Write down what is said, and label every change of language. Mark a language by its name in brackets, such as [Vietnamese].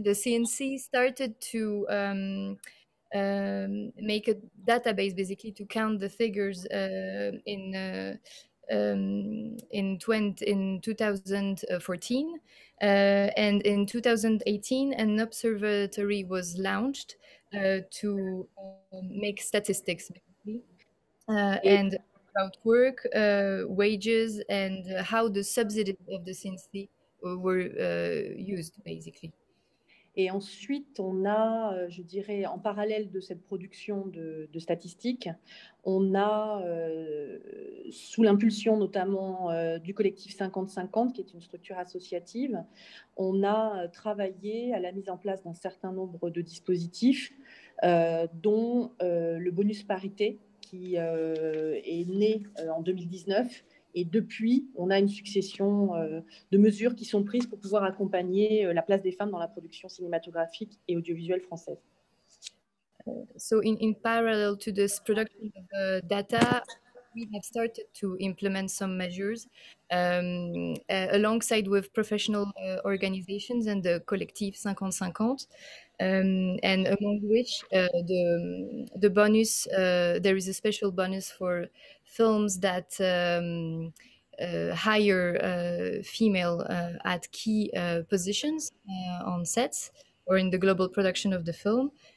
[English] The CNC started to make a database, basically, to count the figures in 2014, and in 2018, an observatory was launched to make statistics, basically, and about work, wages, and how the subsidies of the CNC were used, basically. [French] Et ensuite, on a, je dirais, en parallèle de cette production de statistiques, on a, sous l'impulsion notamment du collectif 50-50, qui est une structure associative, on a travaillé à la mise en place d'un certain nombre de dispositifs, dont le bonus parité, qui est né en 2019. Et depuis, on a une succession de mesures qui sont prises pour pouvoir accompagner la place des femmes dans la production cinématographique et audiovisuelle française. [English] So in parallel to this production of data, we have started to implement some measures alongside with professional organizations and the collective 50-50. And among which the bonus, there is a special bonus for films that hire female at key positions on sets or in the global production of the film.